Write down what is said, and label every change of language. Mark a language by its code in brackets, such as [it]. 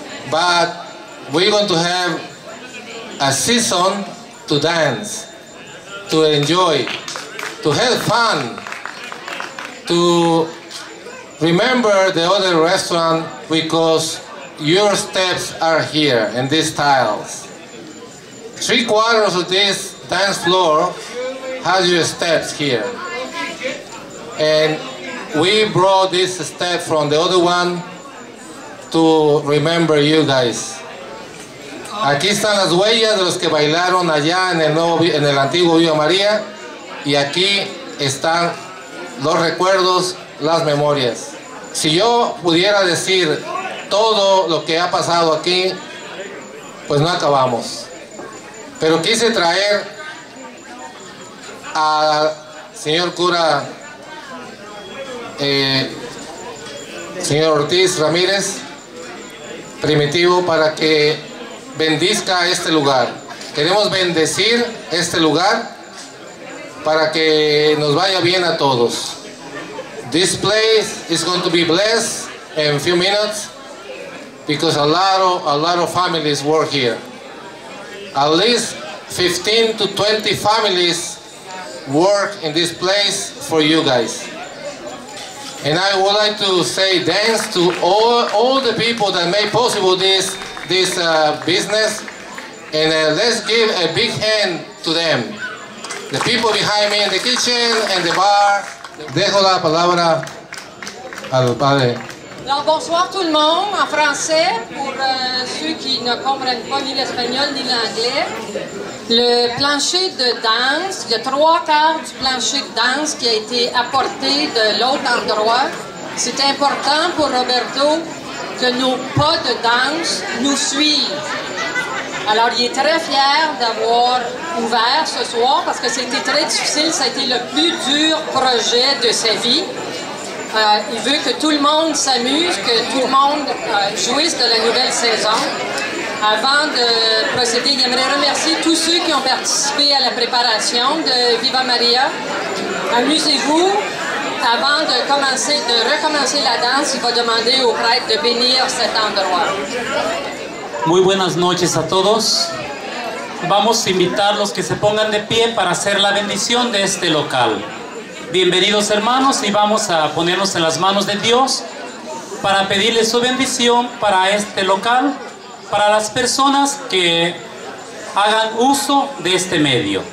[en] But we're going to have a season to dance, to enjoy, to have fun, to remember the other restaurant because your steps are here in these tiles. Three quarters of this dance floor has your steps here. And we brought this step from the other one to remember you guys. [es] Aquí están las huellas de los que bailaron allá en el nuevo, en el antiguo Viva María, y aquí están los recuerdos, las memorias. Si yo pudiera decir todo lo que ha pasado aquí, pues no acabamos. Pero quise traer al señor cura, señor Ortiz Ramírez, primitivo para que bendizca este lugar. Queremos bendecir este lugar para que nos vaya bien a todos. [en] This place is going to be blessed in a few minutes because a lot of families work here. At least 15 to 20 families work in this place for you guys. And I would like to say thanks to all the people that made possible this business. And let's give a big hand to them. The people behind me in the kitchen and the bar. [es] Dejo la palabra al padre. [fr] Alors, bonsoir tout le monde, en français, pour ceux qui ne comprennent pas ni l'espagnol ni l'anglais. Le plancher de danse, il y a trois quarts du plancher de danse qui a été apporté de l'autre endroit. C'est important pour Roberto que nos pas de danse nous suivent. Alors, il est très fier d'avoir ouvert ce soir parce que c'était très difficile, ça a été le plus dur projet de sa vie. Il veut que tout le monde s'amuse, que tout le monde jouisse de la nouvelle saison. Avant de procéder, j'aimerais remercier tous ceux qui ont participé à la préparation de Viva Maria. Amusez-vous. Avant de commencer, de recommencer la danse, il va demander au prêtre de bénir cet endroit. [es] Muy buenas noches a todos. Vamos a invitar los que se pongan de pie para hacer la bendición de este local. Bienvenidos hermanos y vamos a ponernos en las manos de Dios para pedirle su bendición para este local, para las personas que hagan uso de este medio.